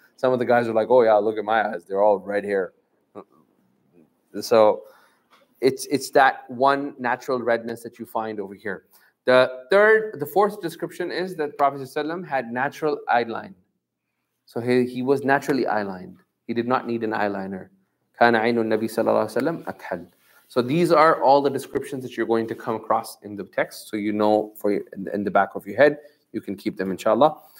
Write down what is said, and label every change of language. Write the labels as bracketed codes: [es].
[en] Some of the guys are like, oh, yeah, look at my eyes. They're all red hair. So it's that one natural redness that you find over here. The fourth description is that Prophet ﷺ had natural eyeline. So he was naturally eyelined. He did not need an eyeliner. [ar] كان عين النبي صلى الله عليه وسلم أكحل. [en] So these are all the descriptions that you're going to come across in the text. So you know for your, in the back of your head, you can keep them, inshallah.